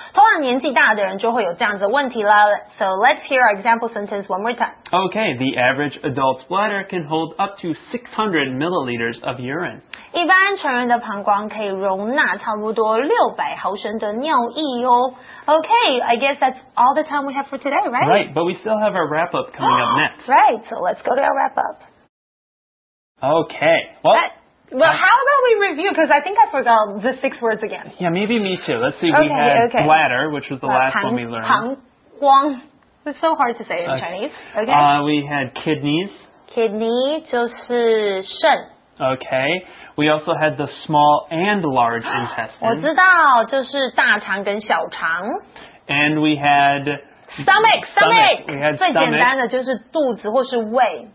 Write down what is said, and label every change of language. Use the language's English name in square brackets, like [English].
[Chinese] 通常年纪大的人就会有这样子的问题啦。 [English] So let's hear our example sentence one more time. Okay, the average adult's bladder can hold up to 600 milliliters of urine. [Chinese] 一般成人的膀胱可以容纳差不多600毫升的尿液哦。 [English] Okay, I guess that's all the time we have for today, right? Right, but we still have our wrap-up coming up next. Right, so let's go to our wrap-up. Okay, well... Well, how about we review? Because I think I forgot the 6 words again. Yeah, maybe me too. Let's see. We had bladder, which was the last one we learned. 膀胱.It's so hard to say in Chinese. Okay. We had kidneys. [Chinese] Kidney 就是肾. [English] Okay. We also had the small and large intestine. [Chinese] 我知道，就是大肠跟小肠. [English] And we had... Stomach! We had stomach. [Chinese] 最简单的就是肚子或是胃。